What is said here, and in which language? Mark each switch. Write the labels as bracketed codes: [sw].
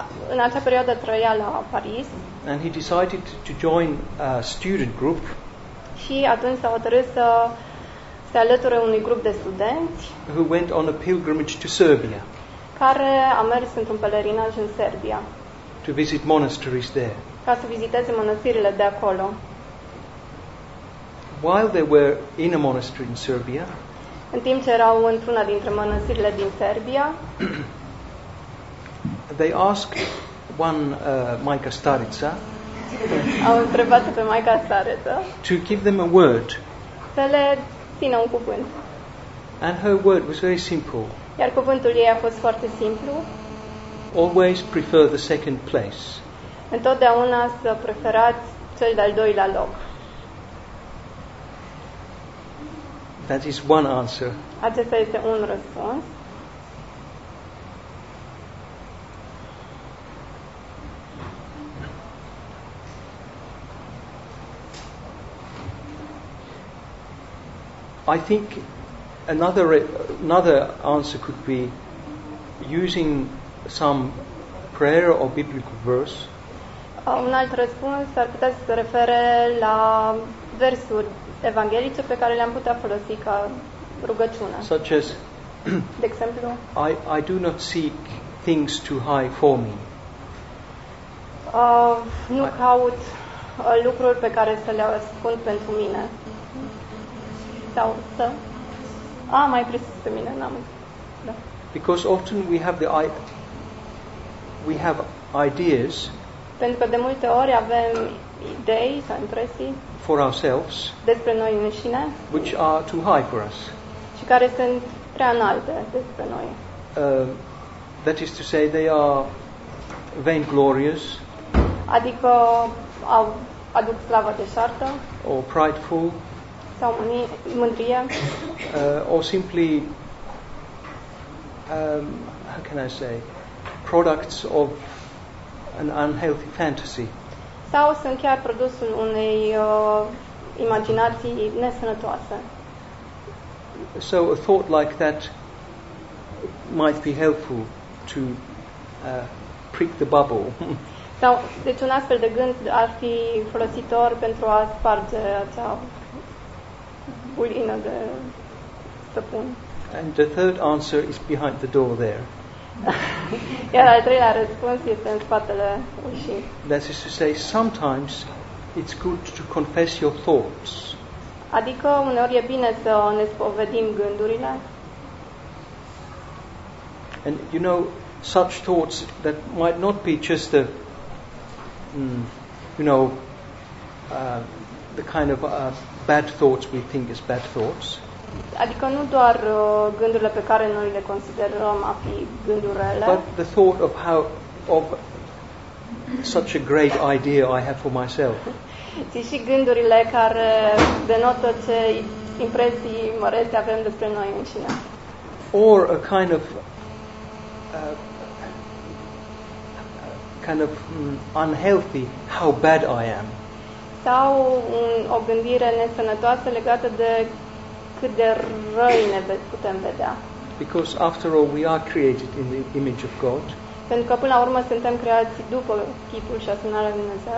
[ro] În acea perioadă trăia la Paris. [en] And he decided to join a student group. [ro] Și atunci s-a hotărât să se alăture unui grup de studenți [en] who went on a pilgrimage to Serbia. [ro] Care a mers într-un pelerinaj în Serbia. [en] To visit monasteries there. [ro] Ca să viziteze mănăstirile de acolo. [en] While they were in a monastery in Serbia, [ro] în timp ce erau într-una dintre mănăstirile din Serbia, [en] they asked one Maica Starița, [ro] au întrebat pe Maica Stareța, [en] to give them a word. [ro] Să le țină un cuvânt. [en] And her word was very simple. [ro] Iar cuvântul ei a fost foarte simplu. [en] Always prefer the second place. [ro] Întotdeauna să preferați cel de-al doilea loc. [en] That is one answer. [ro] Acesta este un răspuns. [en] I think another answer could be using some prayer or biblical verse. [ro] Un alt răspuns ar putea să se refere la versuri evanghelice pe care le-am putea folosi ca rugăciune. [en] Such as, [ro] de exemplu, [en] I do not seek things too high for me. [ro] Nu caut lucruri pe care să le ascund pentru mine. Sau să... mai presus pe mine, n-am... Da. [en] Because often we have the we have ideas. [ro] Pentru că de multe ori avem idei sau impresii [en] for ourselves, [ro] despre noi înșine, [en] which are too high for us. [ro] Și care sunt prea înalte despre noi. [en] That is to say, they are vainglorious. [ro] Adică au aduc slavă deșartă. [en] Or prideful. [ro] Sau mândrie. [en] Or simply, how can I say, products of an unhealthy fantasy. [ro] Sau sunt chiar produsul unei imaginații nesănătoase. [en] So a thought like that might be helpful to prick the bubble. [ro] Sau, deci un astfel de gând ar fi folositor pentru a sparge acea bulină de săpun. [en] And the third answer is behind the door there. [ro] Iar al treilea răspuns este în spatele ușii. [en] That is to say, sometimes it's good to confess your thoughts. [ro] Adică uneori e bine să ne spovedim gândurile. [en] And you know, such thoughts that might not be just the the kind of bad thoughts we think is bad thoughts. [ro] Adică nu doar gândurile pe care noi le considerăm a fi gânduri rele. [en] But the thought of how of such a great idea I have for myself. [ro] Ci și gândurile care denotă ce impresii mărețe avem despre noi înșine. [en] Or a kind of unhealthy how bad I am. [ro] Sau o gândire nesănătoasă legată de cât de răi ne putem vedea. [en] Because after all we are created in the image of God. [ro] Pentru că până la urmă suntem creați după chipul și asemănarea lui Dumnezeu.